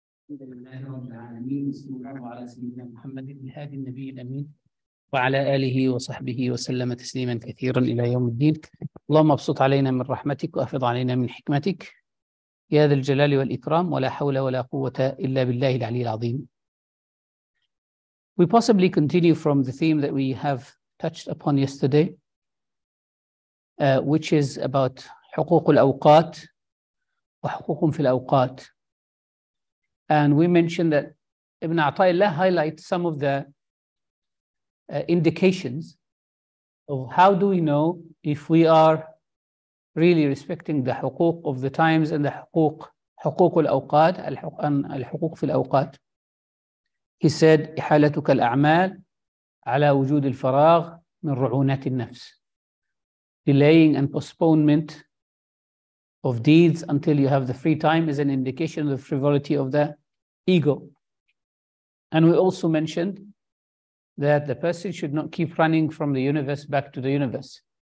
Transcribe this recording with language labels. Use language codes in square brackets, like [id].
[ar] الحمد لله رب العالمين وصلى الله على سيدنا محمد الهادي النبي الامين وعلى اله وصحبه وسلم تسليما كثيرا الى يوم الدين. اللهم ابسط علينا من رحمتك وافض علينا من حكمتك يا ذا الجلال والاكرام ولا حول ولا قوه الا بالله العلي العظيم. [en] We possibly continue from the theme that we have touched upon yesterday, which is about [ar] حقوق الاوقات وحقوقهم في الأوقات. [en] And we mentioned that Ibn Ataillah highlights some of the indications of how do we know if we are really respecting the حقوق of the times and the [ar] حقوق حقوق الأوقات الحقوق في الأوقات. [en] He said [ar] إحالتك الأعمال على وجود الفراغ من رعونات النفس. [en] Delaying and postponement of deeds until you have the free time is an indication of the frivolity of the ego. And we also mentioned that the person should not keep running from the universe back to the universe.